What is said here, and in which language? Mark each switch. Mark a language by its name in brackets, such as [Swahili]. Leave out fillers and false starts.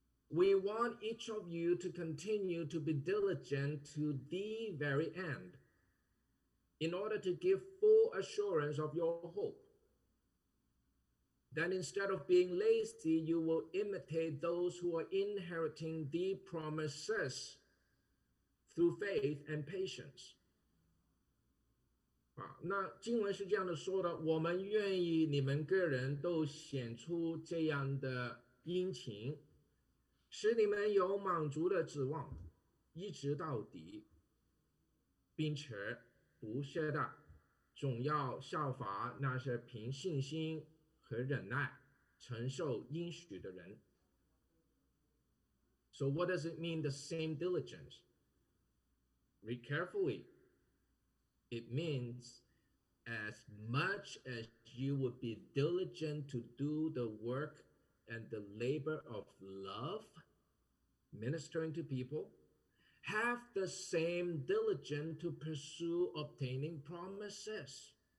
[English] We want each of you to continue to be diligent to the very end in order to give full assurance of your hope. Then instead of being lazy, you will imitate those who are inheriting the promises through faith and patience. [Chinese] 那经文是这样的说的，我们愿意你们个人都显出这样的殷勤，使你们有满足的指望，一直到底，并且不屑的，总要效法那些凭信心和忍耐承受应许的人。 [English] So what does it mean, the same diligence? Read carefully. It means as much as you would be diligent to do the work and the labor of love, ministering to people, have the same diligence to pursue obtaining promises.